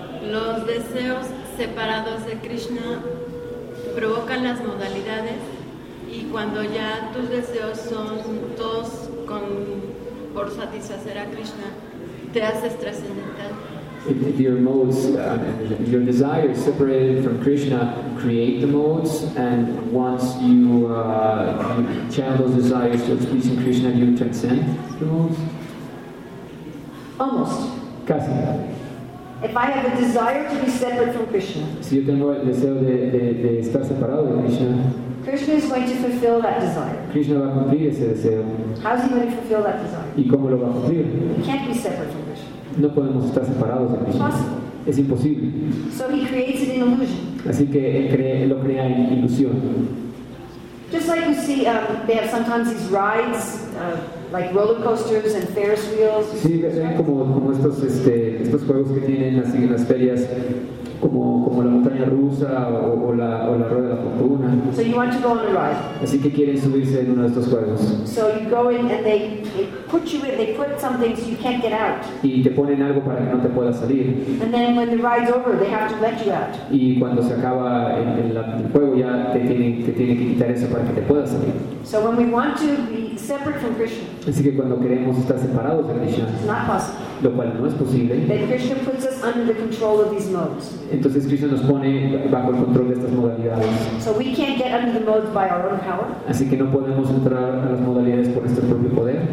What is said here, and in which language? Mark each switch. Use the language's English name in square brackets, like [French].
[Spanish] Los deseos separados de Krishna provocan las modalidades, y cuando ya tus deseos son todos por satisfacer a Krishna, [English] if your modes, your desires separated from Krishna create the modes, and once you channel those desires towards pleasing Krishna, you transcend the modes? Almost. [Spanish] Casi. [English] If I have a desire to be separate from Krishna, [Spanish] si yo tengo el deseo de estar separado de Krishna, [English] Krishna is going to fulfill that desire. [Spanish] Krishna va a cumplir ese deseo. [English] How is he going to fulfill that desire? [Spanish] ¿Y cómo lo va a cumplir? [English] He can't be separate from Krishna. [Spanish] No podemos estar separados de Krishna. [English] It's possible. [Spanish] Es imposible. [English] So he creates an illusion. [Spanish] Así que él lo crea en ilusión. [English] Just like you see, they have sometimes these rides, like roller coasters and Ferris wheels. [Spanish] Sí, ven como estos estos juegos que tienen así en las ferias. Como la montaña rusa o la rueda de la fortuna. [English] So you want to go on a ride. [Spanish] Así que quieren subirse en uno de estos juegos. [English] So you go in and they put you in, they put something so you can't get out. [Spanish] Y te ponen algo para que no te puedas salir. [English] And then when the ride's over, they have to let you out. [Spanish] Y cuando se acaba el juego, ya te tienen que quitar eso para que te puedas salir. [English] So when we want to be separate from Krishna. [Spanish] Así que cuando queremos estar separados de Krishna. [English] It's not possible. [Spanish] Lo cual no es posible. [English] Then Krishna puts us under the control of these modes. [Spanish] Entonces Krishna nos pone bajo el control de estas modalidades. [English] So we can't get under the modes by our own power. [Spanish] Así que no podemos entrar a las modalidades por nuestro propio poder.